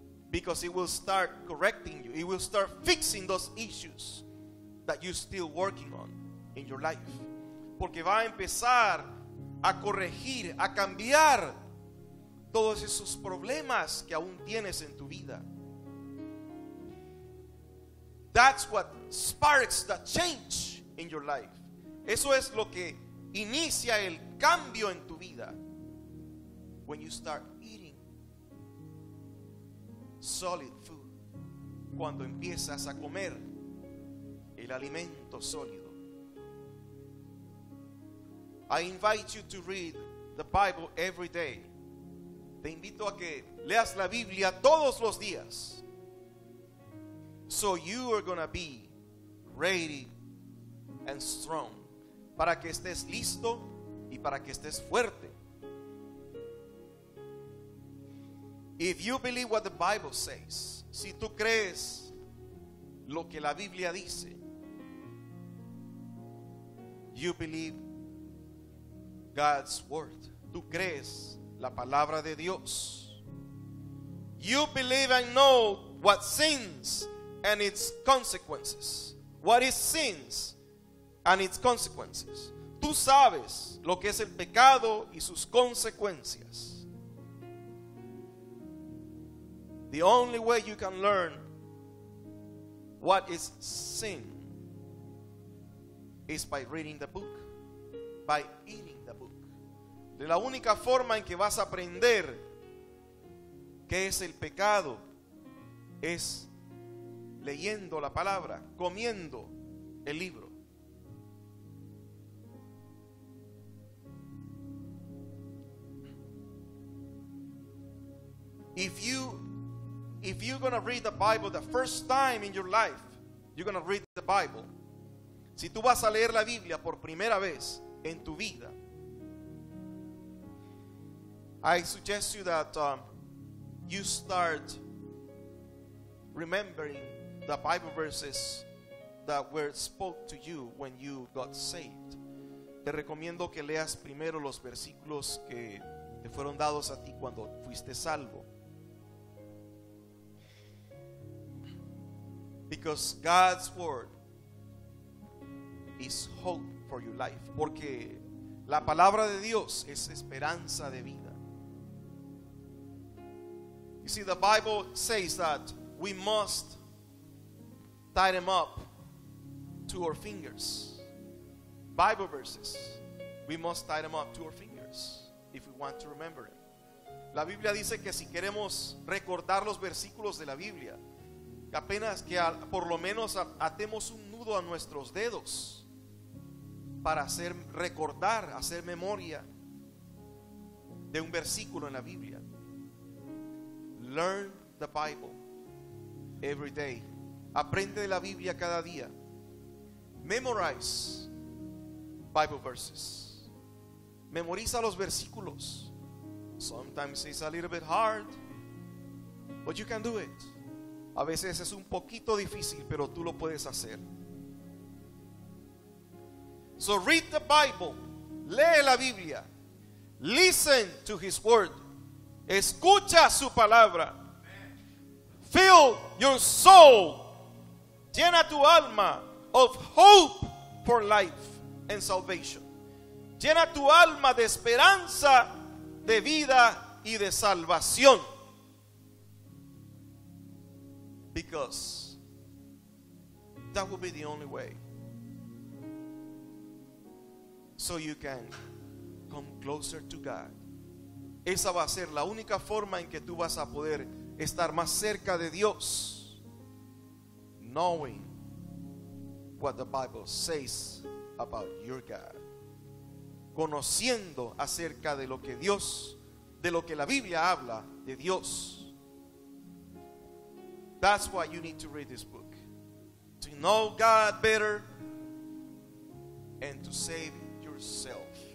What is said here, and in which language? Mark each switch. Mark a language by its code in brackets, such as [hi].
[en] Because it will start correcting you. It will start fixing those issues that you're still working on in your life. [es] Porque va a empezar a corregir, a cambiar todos esos problemas que aún tienes en tu vida. [en] That's what sparks the change in your life. [es] Eso es lo que inicia el cambio en tu vida. [en] When you start eating solid food. [es] Cuando empiezas a comer el alimento sólido. [en] I invite you to read the Bible every day. [es] Te invito a que leas la Biblia todos los días. [en] So you are going to be ready and strong. [es] Para que estés listo y para que estés fuerte. [en] If you believe what the Bible says, [es] si tú crees lo que la Biblia dice, [en] you believe God's word. [es] Tú crees la palabra de Dios. [en] You believe and know what sins and its consequences. What is sins and its consequences? [es] Tú sabes lo que es el pecado y sus consecuencias. [en] The only way you can learn what is sin is by reading the book, by eating the book. [es] De la única forma en que vas a aprender qué es el pecado es leyendo la palabra, comiendo el libro. [en] If you're going to read the Bible the first time in your life, you're going to read the Bible. [es] Si tú vas a leer la Biblia por primera vez en tu vida, [en] I suggest you that you start remembering the Bible verses that were spoke to you when you got saved. [es] Te recomiendo que leas primero los versículos que te fueron dados a ti cuando fuiste salvo. [en] Because God's word is hope for your life. [es] Porque la palabra de Dios es esperanza de vida. [en] You see, the Bible says that we must tie them up to our fingers. Bible verses. We must tie them up to our fingers if we want to remember it. [es] La Biblia dice que si queremos recordar los versículos de la Biblia, apenas que por lo menos atemos un nudo a nuestros dedos para hacer recordar, hacer memoria de un versículo en la Biblia. [en] Learn the Bible every day. [es] Aprende de la Biblia cada día. [en] Memorize Bible verses. [es] Memoriza los versículos. [en] Sometimes it's a little bit hard, but you can do it. [es] A veces es un poquito difícil, pero tú lo puedes hacer. [en] So read the Bible. [es] Lee la Biblia. [en] Listen to his word. [es] Escucha su palabra. [en] Fill your soul. [es] Llena tu alma [en] of hope for life and salvation. [es] Llena tu alma de esperanza, de vida y de salvación. [en] Because that will be the only way. So you can come closer to God. [es] Esa va a ser la única forma en que tú vas a poder estar más cerca de Dios. [en] Knowing what the Bible says about your God. [es] Conociendo acerca de lo que Dios, de lo que la Biblia habla de Dios. [en] That's why you need to read this book. To know God better and to save yourself.